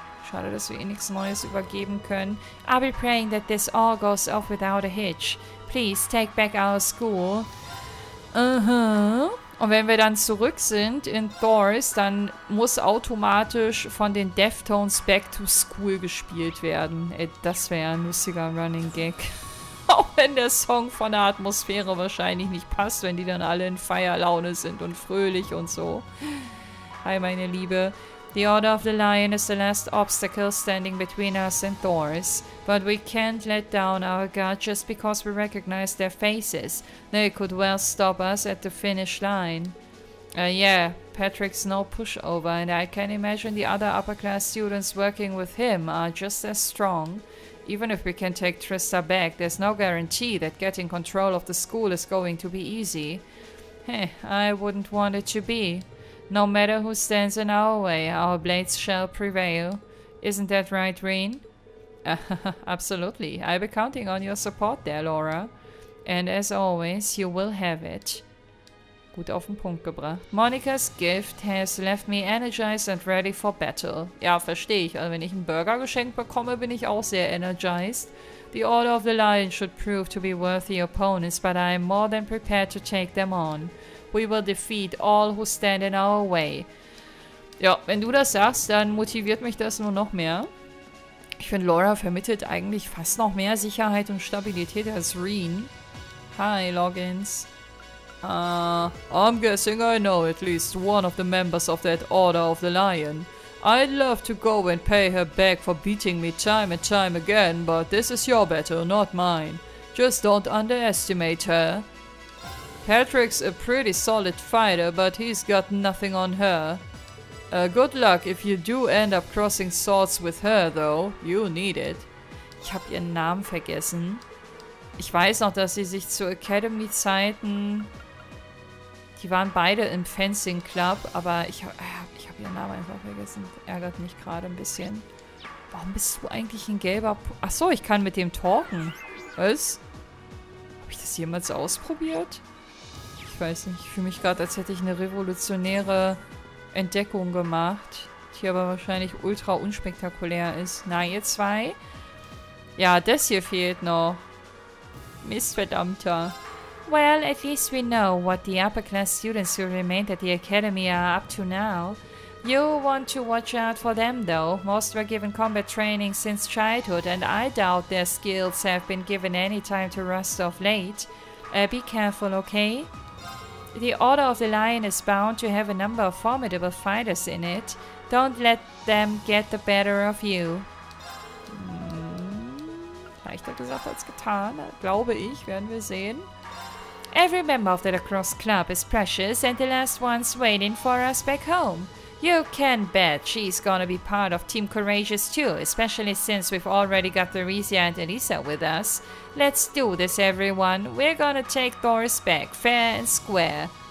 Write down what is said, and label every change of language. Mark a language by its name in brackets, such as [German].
[German] Schade, dass wir eh nichts Neues übergeben können. [English] I'll be praying that this all goes off without a hitch. Please take back our school. [German] Und wenn wir dann zurück sind in Thors, dann muss automatisch von den Deftones Back to School gespielt werden. Ey, das wäre ein lustiger Running Gag. Auch wenn der Song von der Atmosphäre wahrscheinlich nicht passt, wenn die dann alle in Feierlaune sind und fröhlich und so. Hi, meine Liebe. [English] The Order of the Lion is the last obstacle standing between us and Thor's, but we can't let down our guard just because we recognize their faces. They could well stop us at the finish line. Yeah, Patrick's no pushover, and I can imagine the other upper-class students working with him are just as strong. Even if we can take Trista back, there's no guarantee that getting control of the school is going to be easy. Heh, I wouldn't want it to be. No matter who stands in our way, our blades shall prevail. Isn't that right, Rin? Absolutely. I'll be counting on your support there, Laura. And as always, you will have it. [German] Gut auf den Punkt gebracht. [English] Monikas Gift has left me energized and ready for battle. [German] Ja, verstehe ich. Also wenn ich einen Burger geschenkt bekomme, bin ich auch sehr energized. [English] The Order of the Lion should prove to be worthy opponents, but I am more than prepared to take them on. We will defeat all who stand in our way. [German] Ja, wenn du das sagst, dann motiviert mich das nur noch mehr. Ich finde, Laura vermittelt eigentlich fast noch mehr Sicherheit und Stabilität als Rin. [English] Hi, Loggins. I'm guessing I know at least one of the members of that Order of the Lion. I'd love to go and pay her back for beating me time and time again, but this is your battle, not mine. Just don't underestimate her. Patrick's a pretty solid fighter, but he's got nothing on her. Good luck if you do end up crossing swords with her, though. You need it. [German] Ich hab ihren Namen vergessen. Ich weiß noch, dass sie sich zu Academy-Zeiten... Die waren beide im Fencing Club, aber ich hab ihren Namen einfach vergessen. Ärgert mich gerade ein bisschen. Warum bist du eigentlich ein gelber... Achso, ich kann mit dem talken. Was? Hab ich das jemals ausprobiert? Ich weiß nicht, ich fühle mich gerade, als hätte ich eine revolutionäre Entdeckung gemacht, die aber wahrscheinlich ultra unspektakulär ist. Na, ihr zwei? Ja, das hier fehlt noch. Mistverdammter. [English] Well, at least we know what the upper-class students who remained at the academy are up to now. You want to watch out for them, though. Most were given combat training since childhood, and I doubt their skills have been given any time to rust off late. Be careful, okay? The Order of the Lion is bound to have a number of formidable fighters in it. Don't let them get the better of you. [German] Leichter gesagt als getan, glaube ich, werden wir sehen. [English] Every member of the Lacrosse Club is precious and the last one's waiting for us back home. You can bet she's gonna be part of Team Courageous too, especially since we've already got Theresia and Elisa with us. Let's do this, everyone. We're gonna take Thor's back, fair and square.